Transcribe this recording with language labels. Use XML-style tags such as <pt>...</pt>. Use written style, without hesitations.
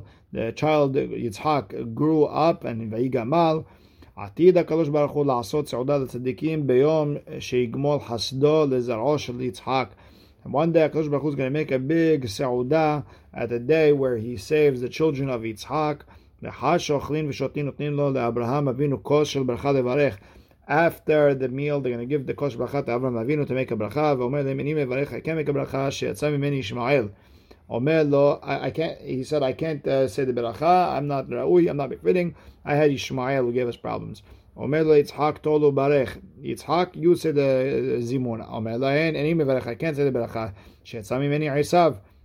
<en>The child Yitzhak grew up and Vayigamal.</en> <he>עתיד הקדוש ברוך הוא לעשות סעודה לצדיקים ביום שיגמול חסדו לזרעו של יצחק.</he> <en>One day הקדוש ברוך הוא is going to make a big סעודה at a day where he saves the children of יצחק.</en> <he>לאחר שאוכלים ושותים נותנים לו לאברהם אבינו כוס של ברכה לברך.</he> <en>After the meal, they're going to give the כוס ברכה to Abraham אבינו to make a ברכה.</en> <he>ואומר להם, אני מברך, I can't make a ברכה שיצא ממני ישמעאל.</he> <en>Omer lo, I can't say the beracha. I'm not ra'ui, I'm not befitting. I had Ishmael who gave us problems. Omer lo Yitzhak tolu barech. Yitzhak, you say the zimun. Omer lo en, eni mevarech. I can't say the beracha. Shetza mimeni Isav.</en>